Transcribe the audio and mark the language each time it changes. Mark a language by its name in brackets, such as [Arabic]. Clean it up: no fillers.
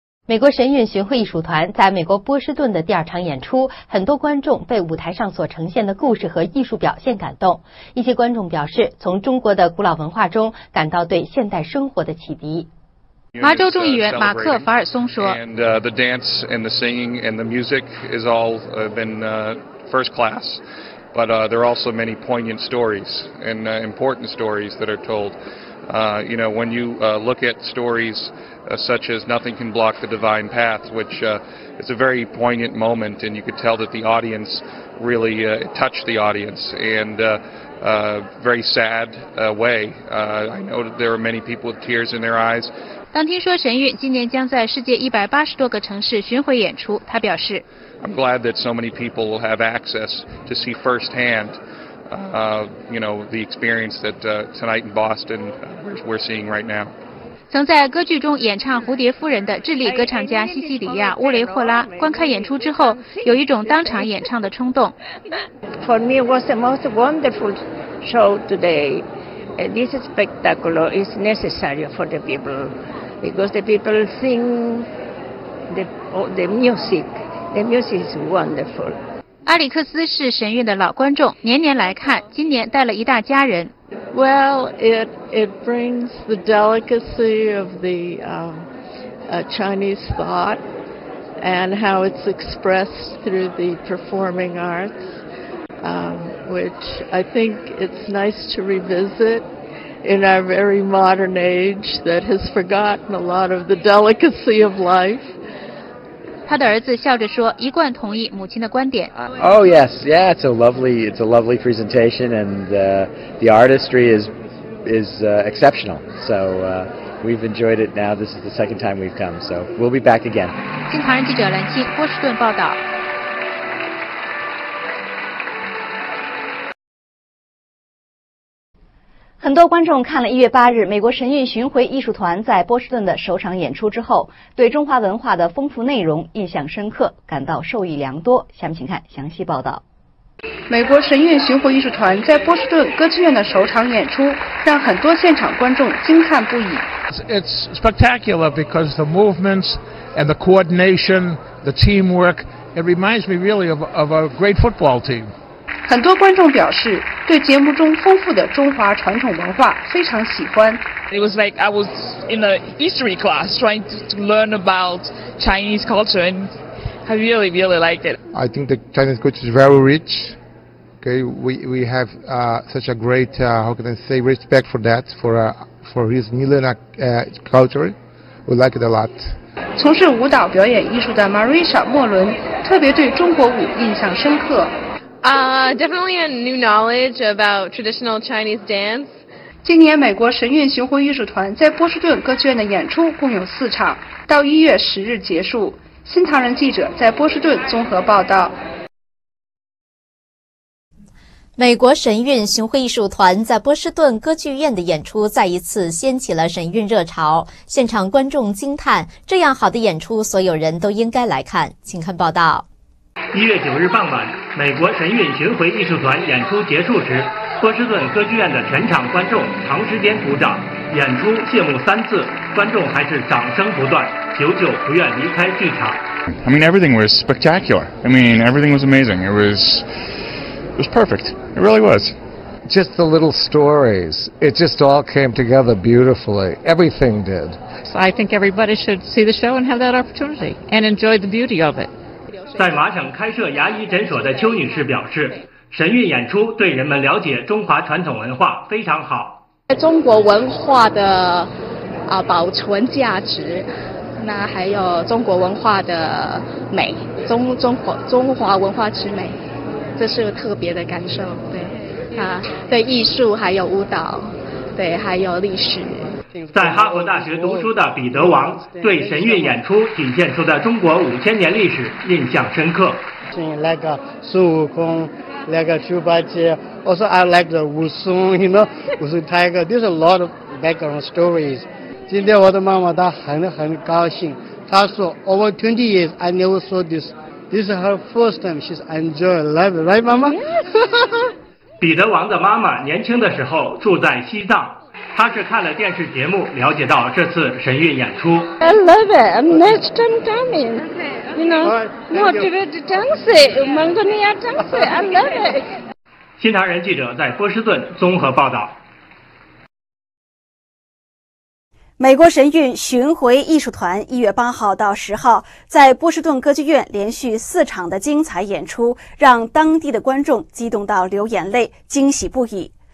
[Chinese] 美国神韵巡回艺术团在美国波士顿的第二场演出，很多观众被舞台上所呈现的故事和艺术表现感动。一些观众表示，从中国的古老文化中感到对现代生活的启迪。麻州众议员马克·法尔松说 [English] The dance and the singing and the music has all been first class, but there are also many poignant stories and important stories that are told. You know, when you look at stories such as Nothing Can Block the Divine Path, which is a very poignant moment, and you could tell that the audience really touched the audience. And very sad way. I know that there are many people with tears in their eyes. [Chinese] 当听说神韵今年将在世界180多个城市巡回演出，他表示 [English] I'm glad that so many people will have access to see firsthand, you know, the experience that tonight in Boston we're seeing right now. [Chinese] 曾在歌剧中演唱蝴蝶夫人的智利歌唱家西西里亚·乌雷霍拉观看演出之后，有一种当场演唱的冲动。 [English] For me, it was the most wonderful show today. This spectacle is necessary for the people because the people sing the music. The music is wonderful. [Chinese] 阿里克斯是神韵的老观众，年年来看，今年带了一大家人。 [English] Well, it brings the delicacy of the Chinese thought and how it's expressed through the performing arts, which I think it's nice to revisit in our very modern age that has forgotten a lot of the delicacy of life. [Chinese] 他的儿子笑着说，一贯同意母亲的观点。 [English] Oh yes, yeah, it's a lovely presentation, and the artistry is exceptional. So we've enjoyed it. Now this is the second time we've come, so we'll be back again. [Chinese] 新唐人记者兰青，波士顿报道。很多观众看了1月8日美国神韵巡回艺术团在波士顿的首场演出之后，对中华文化的丰富内容印象深刻，感到受益良多。下面请看详细报道。美国神韵巡回艺术团在波士顿歌剧院的首场演出让很多现场观众惊叹不已。 [English] It's spectacular because the movements and the coordination, the teamwork, it reminds me really of a great football team. [Chinese] 很多观众表示对节目中丰富的中华传统文化非常喜欢。 [English] It was like I was in a history class trying to learn about Chinese culture, and I really, really liked it. I think the Chinese culture is very rich. Okay, we have such a great, how can I say, respect for that, for his millennial culture. We like it a lot. [Chinese] 从事舞蹈表演艺术的 Marisha 莫伦特别对中国舞印象深刻。 [English] Definitely a new knowledge about traditional Chinese dance. [Chinese] 今年美国神韵巡回艺术团在波士顿歌剧院的演出共有四场，到1月10日结束。新唐人记者在波士顿综合报道。美国神韵巡回艺术团在波士顿歌剧院的演出再一次掀起了神韵热潮，现场观众惊叹，这样好的演出所有人都应该来看。请看报道。 1月9日傍晚，美国神韵巡回艺术团演出结束时，波士顿歌剧院的全场观众长时间鼓掌，演出谢幕三次，观众还是掌声不断，久久不愿离开剧场。 [English] I mean, everything was spectacular. I mean, everything was amazing. It was perfect. It really was. Just the little stories. It just all came together beautifully. Everything did. So I think everybody should see the show and have that opportunity and enjoy the beauty of it. [Chinese] 在麻省开设牙医诊所的邱女士表示，神韵演出对人们了解中华传统文化非常好。在中国文化的保存价值，那还有中国文化的美，中华文化之美，这是个特别的感受。对，对艺术还有舞蹈，对，还有历史。在哈佛大学读书的彼得王对神韵演出体现出的中国五千年历史印象深刻。来个孙悟空，来个猪八戒。我说 [English] I like the [Chinese] 武松， [English] you know， [Chinese] 武松 Tiger。 [English] There's a lot of background stories。 [Chinese] 今天我的妈妈她很高兴，她说 [English] Over 20 years I never saw this。 This is her first time. She's enjoy life, right, 妈妈？ [Chinese] 彼得王的妈妈年轻的时候住在西藏。他是看了电视节目了解到这次神韵演出。 [English] I love it. I'm next time coming. You know, not to be Jiangxi, Mongolia Jiangxi. I love it. [Chinese] 新唐人记者在波士顿综合报道。美国神韵巡回艺术团1月8号到10号在波士顿歌剧院连续四场的精彩演出，让当地的观众激动到流眼泪，惊喜不已。